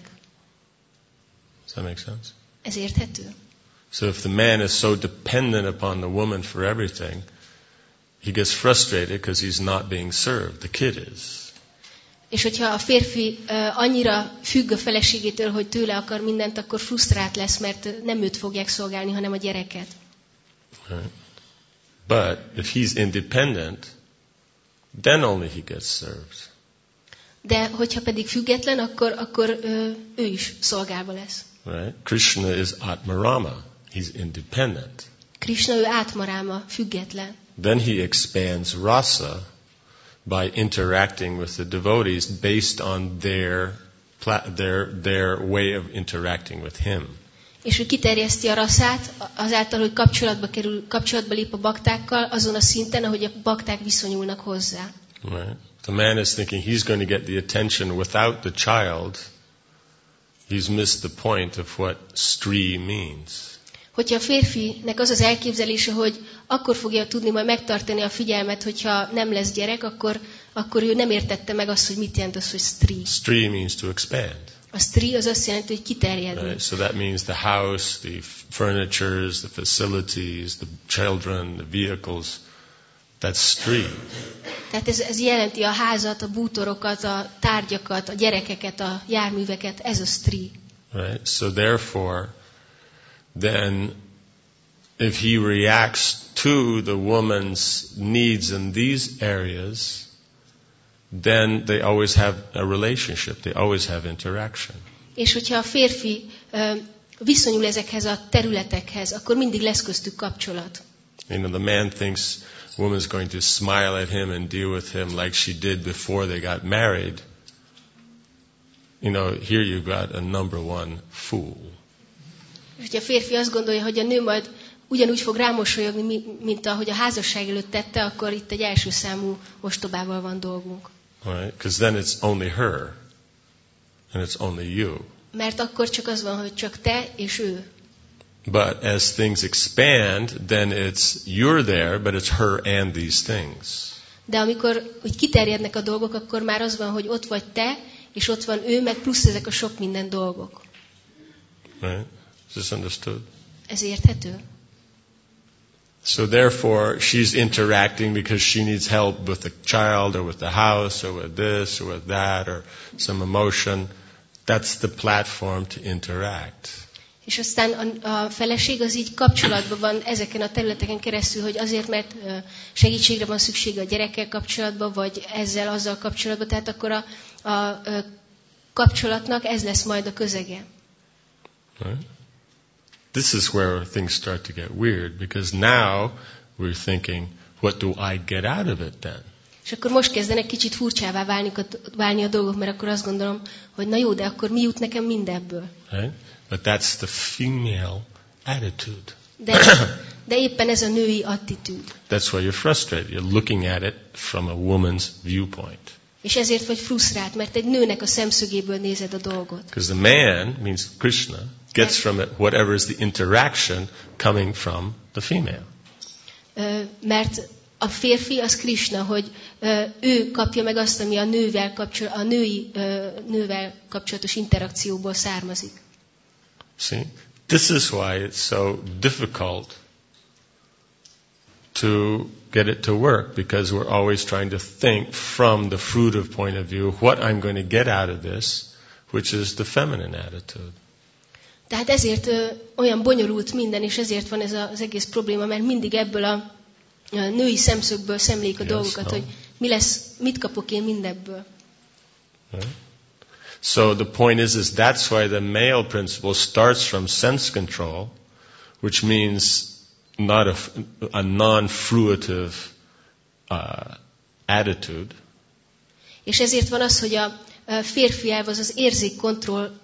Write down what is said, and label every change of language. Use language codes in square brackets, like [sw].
[en] Does that make sense? [hu] Ez érthető. [en] So if the man is so dependent upon the woman for everything, he gets frustrated because he's not being served. The kid is. [hu] És hogyha a férfi annyira függ a feleségétől, hogy tőle akar mindent, akkor frusztrált lesz, mert nem őt fogják szolgálni, hanem a gyereket. [en] Right. But if he's independent, then only he gets served. [hu] De hogyha pedig független, akkor ő is szolgálva lesz. [en] Right. Krishna is Atmarama. He's independent. [hu] Krishna ő Atmarama, független. [en] Then he expands rasa by interacting with the devotees based on their way of interacting with him. [hu] És ő kiterjeszti a rasszát azáltal, hogy kapcsolatba lép a baktákkal azon a szinten, ahogy a bakták viszonyulnak hozzá. [en] Right. The man is thinking he's going to get the attention without the child. He's missed the point of what stri means. [hu] Hogyha a férfinek az az elképzelése, hogy akkor fogja tudni majd megtartani a figyelmet, hogyha nem lesz gyerek, akkor ő nem értette meg azt, hogy mit jelent az, hogy stri. [en] Stri means to expand. [hu] A stri az azt jelenti, hogy kiterjedni. [en] Right? So that means the house, the furniture, the facilities, the children, the vehicles. That's stri. [hu] Tehát ez jelenti a házat, a bútorokat, a tárgyakat, a gyerekeket, a járműveket. Ez a stri. [en] Right? So therefore, then if he reacts to the woman's needs in these areas, then they always have a relationship, they always have interaction. [hu] És hogyha a férfi viszonyul ezekhez a területekhez, akkor mindig lesz köztük kapcsolat. [en] You know, the man thinks woman's going to smile at him and deal with him like she did before they got married. You know, here you've got a number one fool. [hu] És hogyha a férfi azt gondolja, hogy a nő majd ugyanúgy fog rámosolyogni, mint ahogy a házasság előtt tette, akkor itt egy első számú ostobával van dolgunk. [en] Right, because then it's only her, and it's only you. [hu] Mert akkor csak az van, hogy csak te és ő. [en] But as things expand, then it's you're there, but it's her and these things. [hu] De amikor úgy kiterjednek a dolgok, akkor már az van, hogy ott vagy te, és ott van ő, meg plusz ezek a sok minden dolgok. [en] Right. Is this understood? [hu] Ez érthető. [en] So therefore, she's interacting because she needs help with the child or with the house or with this or with that or some emotion. That's the platform to interact. [hu] És aztán a feleség az így kapcsolatban van ezeken a területeken keresztül, hogy azért, mert segítségre van szüksége a gyerekkel kapcsolatban, vagy ezzel, azzal kapcsolatban. Tehát akkor a kapcsolatnak ez lesz majd a közege. [en] Right. This is where things start to get weird because now we're thinking, what do I get out of it then? [hu] És akkor most kezdenek kicsit furcsává válni a dolgok, mert akkor azt gondolom, hogy na jó, de akkor mi jut nekem mindebből? [en] Right? But that's the female attitude. [hu] De éppen ez a női attitűd. [en] That's why you're frustrated. You're looking at it from a woman's viewpoint. [hu] És ezért vagy frusztrált, mert egy nőnek a szemszögéből nézed a dolgot. [en] Because the man means Krishna. Gets from it whatever is the interaction coming from the female. [hu] Mert a férfi az Krishna, hogy ő kapja meg azt, ami a női nővel kapcsolatos interakcióból származik. [en] See, this is why it's so difficult to get it to work because we're always trying to think from the fruitive point of view what I'm going to get out of this, which is the feminine attitude. [hu] Tehát ezért olyan bonyolult minden, és ezért van ez az egész probléma, mert mindig ebből a női szemszögből szemlék a [en] yes, [hu] dolgokat, [en] no. [hu] Hogy mi lesz, mit kapok én mindebből. [en] So the point is that's why the male principle starts from sense control, which means not a non-fruitive attitude. [hu] És ezért van az, hogy a férfi elv az érzékkontroll.